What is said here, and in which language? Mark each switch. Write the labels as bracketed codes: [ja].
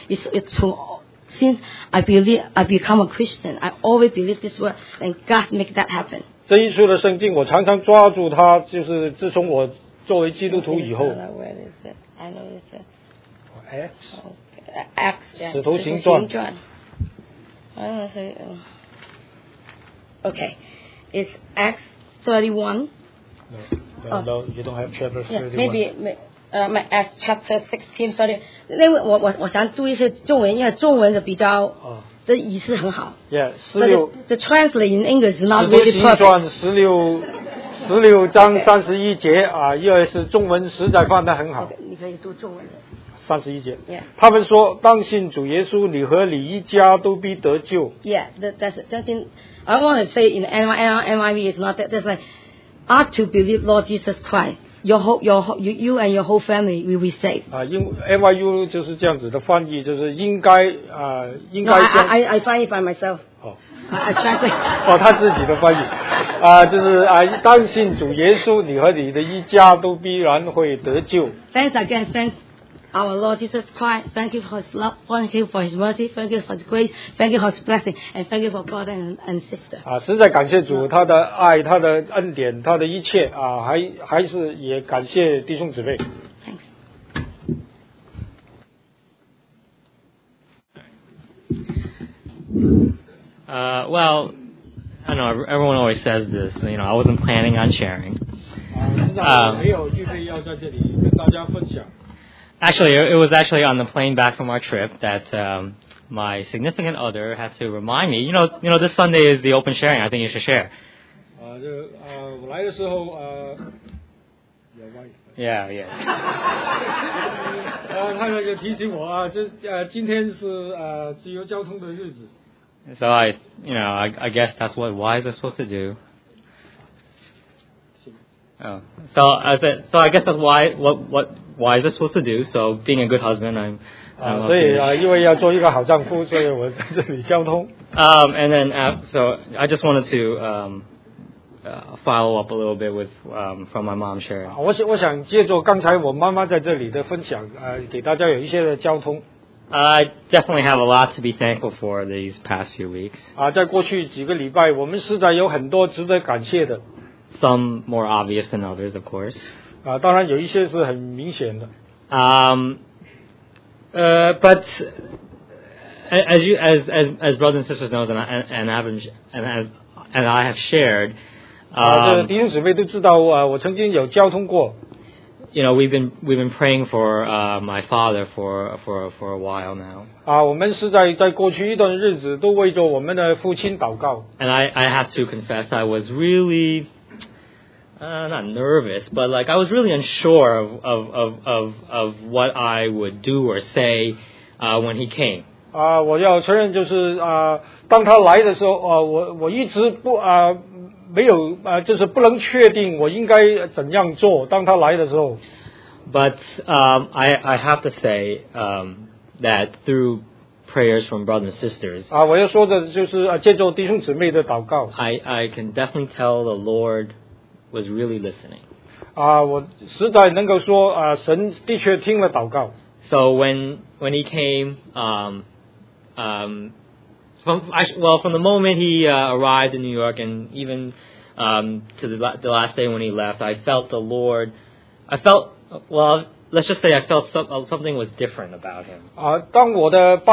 [en] It's to, since I believe I become a Christian, I always believe this word, and God make that happen. [zh] 这一处的圣经，我常常抓住它，就是自从我作为基督徒以后。 [en] Where is it? I know it's Acts. Acts. [zh] 使徒行传。 [en] I don't know, say. Okay, it's Acts 31. No, you don't have chapter 31. Yeah, maybe Acts chapter 16:30. [zh] 那我想读一些中文，因为中文的比较的意思很好。 [en] Yeah, 16. The translation in English is not really perfect. [zh] 使徒行传16章31节啊，因为是中文实在翻得很好。 Okay, 你可以读中文的。 31节 [en] yeah. [zh] 他们说当信主耶稣你和你一家都必得救 [en] yeah, that's something I want to say in NIV is not that that's like are to believe Lord Jesus Christ you and your whole family will be saved [zh] NIV 就是这样子的翻译就是应该 [en] I find it by myself I translate [zh] 他自己的翻译就是当信主耶稣你和你的一家都必然会得救 [en] thanks again thanks Our Lord Jesus Christ, thank you for His love, thank you for His mercy, thank you for His grace, thank you for His blessing, and thank you for brother and sister. [zh] 实在感谢主他的爱他的恩典他的一切还是也感谢弟兄姊妹。 [en] Thanks. Well, I know everyone always says this, you know, I wasn't planning on sharing. [zh] 实在没有预备要在这里跟大家分享。 [en] Actually, it was actually on the plane back from our trip that my significant other had to remind me. You know, this Sunday is the open sharing. I think you should share. [zh] 我来的时候 [en] Yeah. [zh] 他就提醒我今天是自由交通的日子。 [en] So I guess that's what wives are supposed to do. So I guess that's why what. Why is it supposed to do? So being a good husband, I'm. [zh] 所以啊，因为要做一个好丈夫，所以我在这里交通。 [en] And then so I just wanted to follow up a little bit with from my mom sharing. [zh] 我想借助刚才我妈妈在这里的分享，给大家有一些的交通。 [en] I definitely have a lot to be thankful for these past few weeks. [zh] 在过去几个礼拜，我们实在有很多值得感谢的。 [en] Some more obvious than others, of course. [zh] 当然有一些是很明显的。 [en] But as brothers and sisters know, and I have shared. [zh] 弟兄姊妹都知道我曾经有交通过。 [en] You know, we've been praying for my father for a while now. [zh] 我们是在过去一段日子都为着我们的父亲祷告。 [en] And I have to confess, I was really. Not nervous, but like I was really unsure of what I would do or say when he came. [zh] 我要承认就是当他来的时候我一直不没有就是不能确定我应该怎样做当他来的时候。 [en] But I have to say that through prayers from brothers and sisters. [zh] 我要说的就是, 借助弟兄姊妹的祷告, [en] I can definitely tell the Lord was really listening. [zh] 我实在能够说, 神的确听了祷告。 [en] So when he came, from the moment he arrived in New York and even to the last day when he left, I felt something was different about him.